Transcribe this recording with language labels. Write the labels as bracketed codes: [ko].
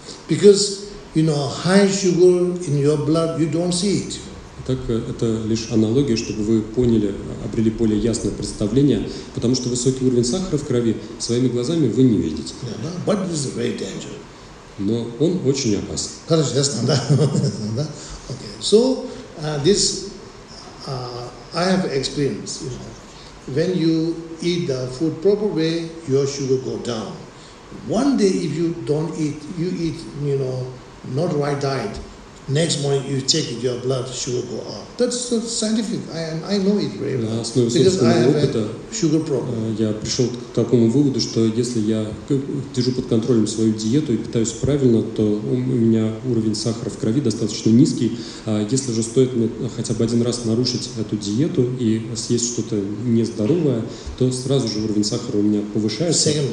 [en] Because, you know, high sugar in your blood, you don't see it. [ru] Так это лишь аналогия, чтобы вы поняли, обрели более ясное представление. Потому что высокий уровень сахара в крови своими глазами вы не видите. [en] Yeah, but this is very dangerous. [ru] Но он очень опасен. Хорошо, ясно, да? [en] Okay. So, this... I have experience, you know, when you eat the food proper way, your sugar go down. One day if you don't eat, you eat, you know, not right diet, next morning you check it, your blood sugar go up. That's scientific, I know it very well, because I have a sugar problem. [ru] Я пришел к такому выводу, что если я держу под контролем свою диету и питаюсь правильно, то у меня уровень сахара в крови достаточно низкий. А если же стоит мне хотя бы один раз нарушить эту диету и съесть что-то нездоровое, то сразу же уровень сахара у меня повышается.